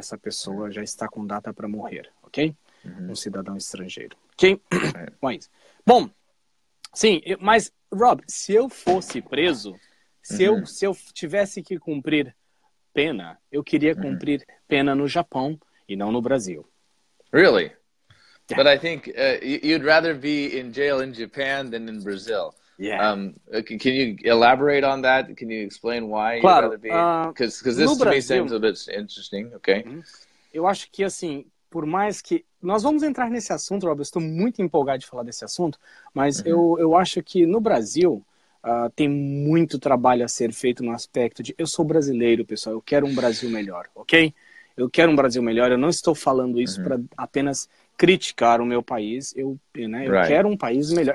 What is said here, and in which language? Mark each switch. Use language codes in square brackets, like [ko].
[pt] Essa pessoa já está com data para morrer, ok? Um cidadão estrangeiro, ok? Mas, bom, sim, mas Rob, se eu fosse preso, se eu tivesse que cumprir pena, eu queria cumprir pena no Japão e não no Brasil. [en] Really? Yeah. But I think you'd rather be in jail in Japan than in Brazil. Yeah. Can you elaborate on that? Can you explain why [pt] claro, [en] you'd rather be? Because this to [pt] Brasil, [en] me seems a bit interesting, okay? [pt] Eu acho que, assim, por mais que... Nós vamos entrar nesse assunto, Rob, eu estou muito empolgado de falar desse assunto, mas eu acho que no Brasil tem muito trabalho a ser feito no aspecto de eu sou brasileiro, pessoal, eu quero um Brasil melhor, ok? Eu quero um Brasil melhor, eu não estou falando isso para apenas criticar o meu país, eu quero um país melhor.